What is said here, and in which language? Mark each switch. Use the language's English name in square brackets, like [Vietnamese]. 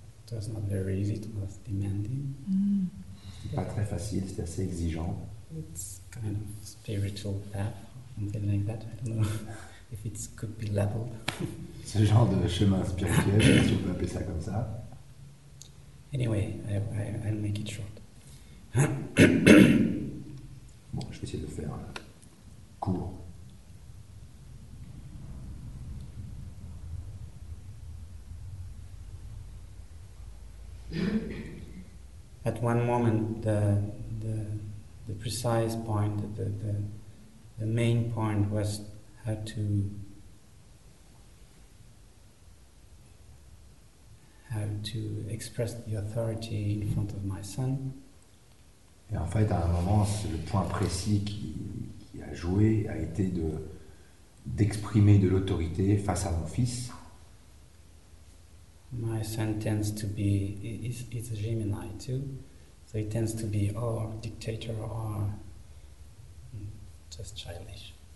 [English] It was not very easy, it was demanding. [French] C'était pas très facile, c'était assez exigeant. [English] It's kind of spiritual path. Something like that. I don't know. if it could be leveled. [French] Ce genre de chemin spirituel, si on peut appeler ça comme ça. [English] Anyway, I'll make it short. [French] Bon, je vais essayer de le faire court. [English] At one moment, the precise point, the main point was how to express the authority in front of my son. [French] Et en fait, à un moment, c'est le point précis qui a joué a été d'exprimer de l'autorité face à mon fils. [English] My son tends to be is a Gemini too, so he tends to be or dictator or just childish.